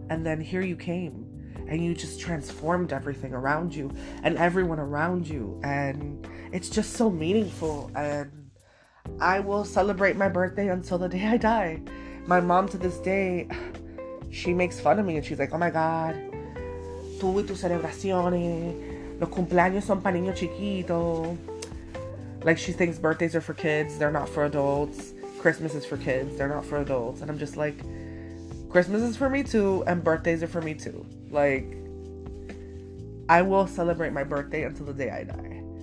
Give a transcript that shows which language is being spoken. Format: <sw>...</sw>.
<en>And then here you came. And you just transformed everything around you and everyone around you. And it's just so meaningful. And I will celebrate my birthday until the day I die. My mom to this day, she makes fun of me. And she's like, oh my God,</en> <es>tú y tus celebraciones, los cumpleaños son para niños chiquitos.</es> <en>Like she thinks birthdays are for kids. They're not for adults. Christmas is for kids. They're not for adults. And I'm just like, Christmas is for me too, and birthdays are for me too. Like, I will celebrate my birthday until the day I die.</en>